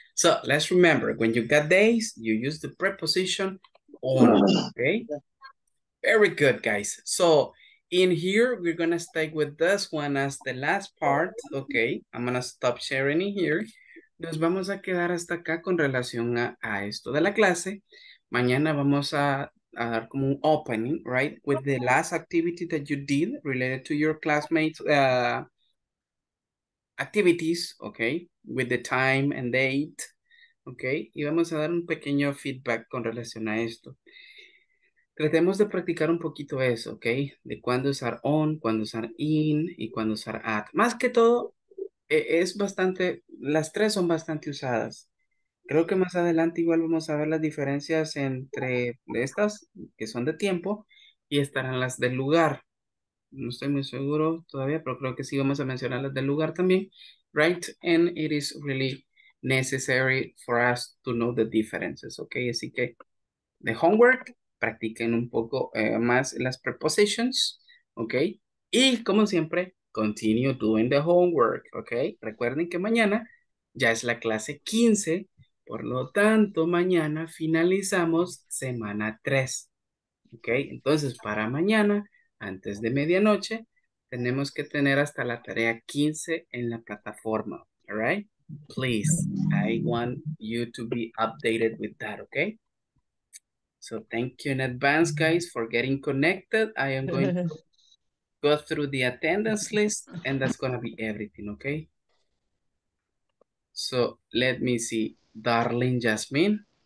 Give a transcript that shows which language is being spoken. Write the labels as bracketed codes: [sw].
[en] So let's remember, when you got days, you use the preposition on. Okay. Very good, guys. So in here, we're gonna stick with this one as the last part. Okay, I'm gonna stop sharing in here. [es] Nos vamos a quedar hasta acá con relación a esto de la clase. Mañana vamos a dar como un [en] opening, right? With the last activity that you did related to your classmates' activities, okay? With the time and date, okay? [es] Y vamos a dar un pequeño feedback con relación a esto. Tratemos de practicar un poquito eso, okay? De cuándo usar on, cuándo usar in y cuándo usar at. Más que todo, es bastante, las tres son bastante usadas. Creo que más adelante igual vamos a ver las diferencias entre estas, que son de tiempo, y estarán las del lugar. No estoy muy seguro todavía, pero creo que sí vamos a mencionar las del lugar también. [en] Right? And it is really necessary for us to know the differences, okay? [es] Así que, [en] the homework, [es] practiquen un poco más las prepositions, okay? Y, como siempre, [en] continue doing the homework, okay? [es] Recuerden que mañana ya es la clase 15. Por lo tanto, mañana finalizamos semana 3, ¿ok? Entonces, para mañana, antes de medianoche, tenemos que tener hasta la tarea 15 en la plataforma, [en] ¿all right? Please, I want you to be updated with that, ¿ok? So, thank you in advance, guys, for getting connected. I am going to go through the attendance list, and that's going to be everything, ¿ok? So, let me see. Darling Jasmine.